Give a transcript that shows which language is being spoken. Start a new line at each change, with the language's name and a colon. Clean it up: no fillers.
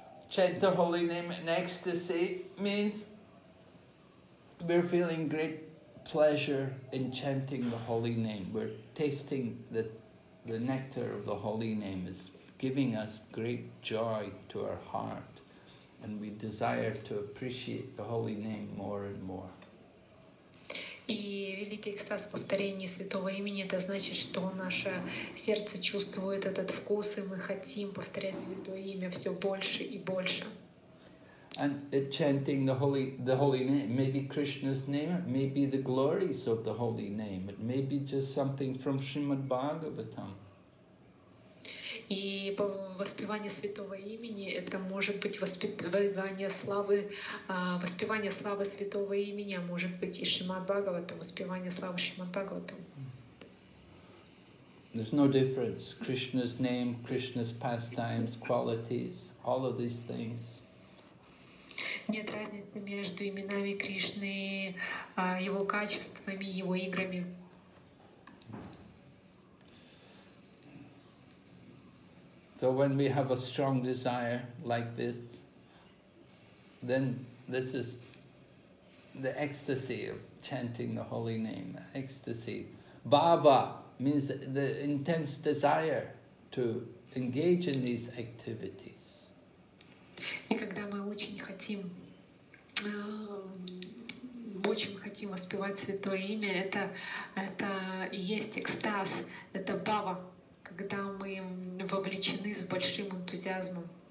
English: Chant the holy name in ecstasy means we're feeling great pleasure in chanting the holy name. We're tasting the nectar of the holy name. It's giving us great joy to our heart, and we desire to appreciate the holy name more and more.
Russian: И великий экстаз повторения святого имени — это значит, что наше сердце чувствует этот вкус, и мы хотим повторять святое имя все больше и больше.
English: And chanting the holy name, maybe Krishna's name, maybe the glories of the holy name, it may be just something from Srimad Bhagavatam.
Russian: И воспевание святого имени — это может быть воспевание славы, воспевание славы святого имени, а может быть и Шримад Бхагаватам, воспевание славы Шримад Бхагаватам.
English: There's no difference. Krishna's name, Krishna's pastimes, qualities, all of these things.
Russian: Нет разницы между именами Кришны, его качествами, его играми.
English: So when we have a strong desire like this, then this is the ecstasy of chanting the holy name, ecstasy. Bhava means the intense desire to engage in these activities.
Russian: И когда мы очень хотим воспевать святое имя, это есть экстаз, это бхава. Когда мы вовлечены с большим энтузиазмом.